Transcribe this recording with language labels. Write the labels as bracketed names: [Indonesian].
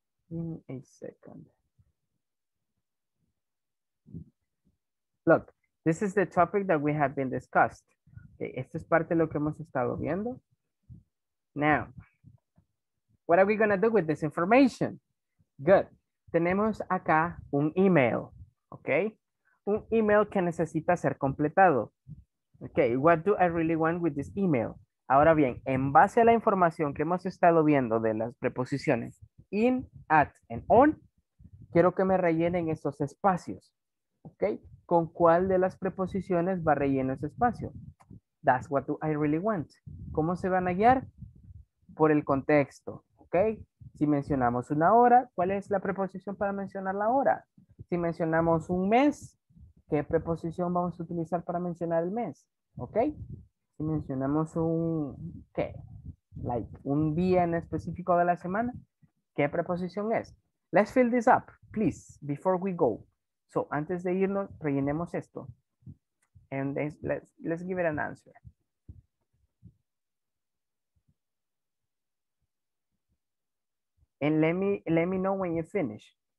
[English] Give me a second. Look, this is the topic that we have been discussed. [Spanish] Okay, esto es parte de lo que hemos estado viendo. [English] Now, what are we gonna do with this information? Good. [Spanish] Tenemos acá un email. Okay, un email que necesita ser completado. [English] Okay, what do I really want with this email? [Spanish] Ahora bien, en base a la información que hemos estado viendo de las preposiciones in, at, and on, quiero que me rellenen esos espacios. Okay, ¿con cuál de las preposiciones va relleno ese espacio? [English] That's what do I really want. [Spanish] ¿Cómo se van a guiar? Por el contexto. Okay, si mencionamos una hora, ¿cuál es la preposición para mencionar la hora? Si mencionamos un mes, ¿qué preposición vamos a utilizar para mencionar el mes? ¿Ok? Si mencionamos un... ¿Qué? like un día en específico de la semana, ¿qué preposición es? [English] Let's fill this up, please, before we go. So, [Spanish] antes de irnos, rellenemos esto. [English] And then let's give it an answer. And let me know when you finish.